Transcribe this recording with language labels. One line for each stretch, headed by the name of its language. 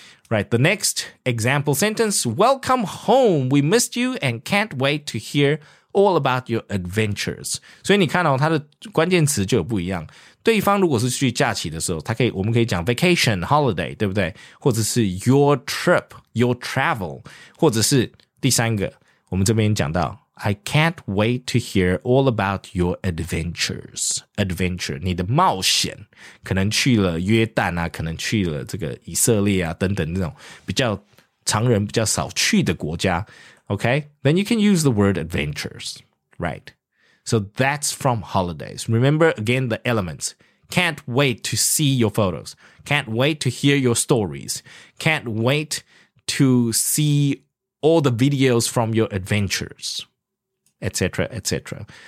English: Right, the next example sentence, welcome home, we missed you and can't wait to hear all about your adventures.
Chinese: 所以你看哦,它的关键词就有不一样。对方如果是去假期的时候,他可以,我们可以讲 vacation, holiday, 对不对? 或者是
English: your trip, your travel,
Chinese: 或者是第三个,我们这边讲到,
English: I can't wait to hear all about your adventures.
Chinese: Adventure, 你的冒险,可能去了约旦啊,可能去了这个以色列啊,等等这种比较常人比较少去的国家, okay?
English: Then you can use the word adventures, right? So that's from holidays. Remember, again, the elements. Can't wait to see your photos. Can't wait to hear your stories. Can't wait to see all the videos from your adventures, etc., etc.